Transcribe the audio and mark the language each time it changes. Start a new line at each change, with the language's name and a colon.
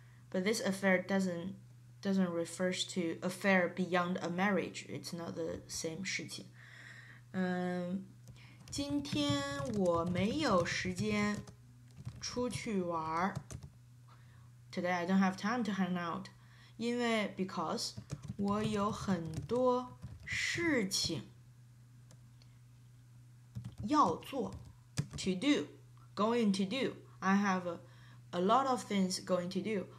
English: But this affair doesn't refer to affair beyond a marriage. It's not the same 事情。
Chinese: 今天我没有时间出去玩。
English: Today I don't have time to hang out. Because
Chinese: 我有很多事情要做。
English: To do, going to do. I have a lot of things going to do.